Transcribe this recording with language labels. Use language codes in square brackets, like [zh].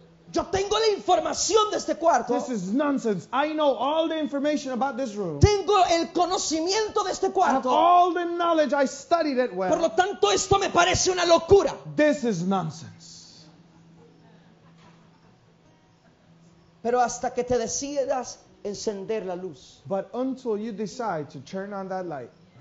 [es] Yo tengo la información de este cuarto. [en] This is nonsense. I know all the information about this room. [es] Tengo el conocimiento de este cuarto. [en] I have all the knowledge. I studied it well. [es] Por lo tanto, esto me parece una locura. [en] This is nonsense. [es] Pero hasta que te decidas encender la luz. [en] But until you decide to turn on that light.